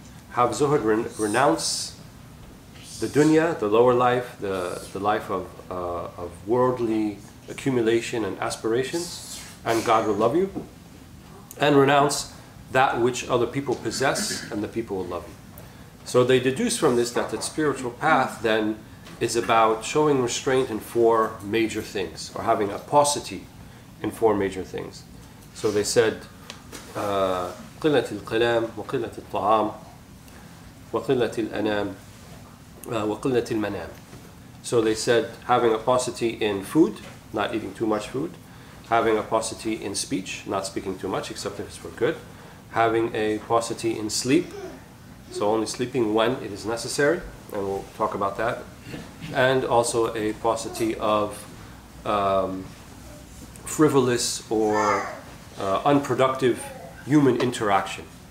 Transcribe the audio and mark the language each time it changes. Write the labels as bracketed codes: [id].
[en] Have zuhd, renounce the dunya, the lower life, the life of worldly accumulation and aspirations, and God will love you. And renounce that which other people possess, and the people will love you. So they deduce from this that the spiritual path then is about showing restraint in four major things, or having a paucity in four major things. So they said, [ar] قِلَّةِ الْقِلَامِ وَقِلَّةِ الطَّعَامِ وَقِلَّةِ الْأَنَامِ وَقِلَّةِ الْمَنَامِ. [en] So they said having a paucity in food, not eating too much food, having a paucity in speech, not speaking too much except if it's for good, having a paucity in sleep, so only sleeping when it is necessary, and we'll talk about that. And also a paucity of frivolous or unproductive human interaction.